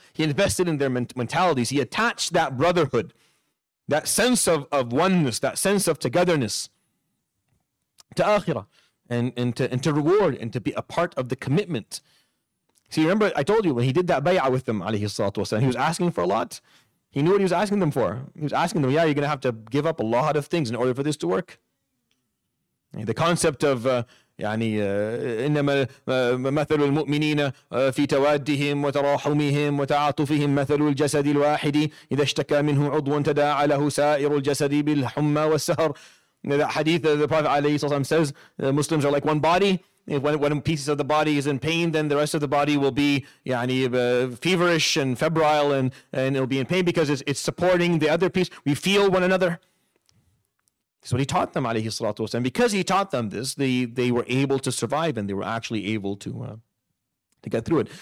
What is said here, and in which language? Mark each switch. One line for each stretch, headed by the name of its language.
English: He invested in their mentalities. He attached that brotherhood, that sense of oneness, that sense of togetherness to akhirah and to reward and to be a part of the commitment. See, remember I told you when he did that bay'ah with them, alayhi salatu wasalam, he was asking for a lot. He knew what he was asking them for. He was asking them, yeah, you're going to have to give up a lot of things in order for this to work. The concept of
Arabic: إِنَّمَا مَثَلُ الْمُؤْمِنِينَ فِي تَوَادِّهِمْ وَتَرَاحُمِهِمْ وَتَعَاطُفِهِمْ مَثَلُ الْجَسَدِ الْوَاحِدِ إِذَا اشْتَكَى مِنْهُ عُضْوٌ تَدَاعَى لَهُ سَائِرُ الْجَسَدِ بِالْحُمَّى وَالسَّهَرِ.
English: That hadith of the Prophet عليه الصلاة والسلام says, Muslims are like one body. If one piece of the body is in pain, then the rest of the body will be feverish and febrile and it'll be in pain because it's supporting the other piece. We feel one another. So he taught them, alayhi salatu wasalam, because he taught them this, they were able to survive and they were actually able to to get through it.